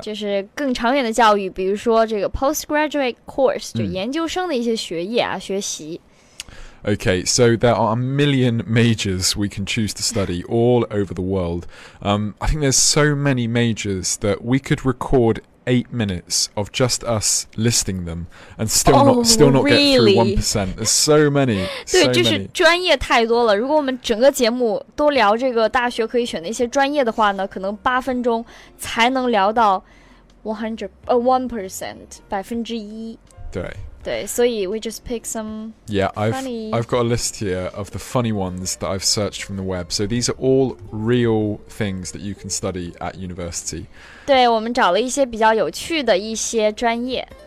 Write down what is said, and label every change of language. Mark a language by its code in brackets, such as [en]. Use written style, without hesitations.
[zh] 就是更长远的教育，比如说这个 postgraduate course, 就研究生的一些学业啊，学习。 [en] Okay, so there are a million majors we can choose to study all over the world. I think there's so many majors that we could record 8 minutes of just us listing them and still not get through 1%. There's so many. [zh] 对，就是专业太多了。如果我们整个节目都聊这个大学可以选的一些专业的话呢，可能8分钟才能聊到1%, 1%。对。对，所以 [en] we just pick some. Yeah, I've got a list here of the funny ones that I've searched from the web. So these are all real things that you can study at university. [zh] 对，我们找了一些比较有趣的一些专业。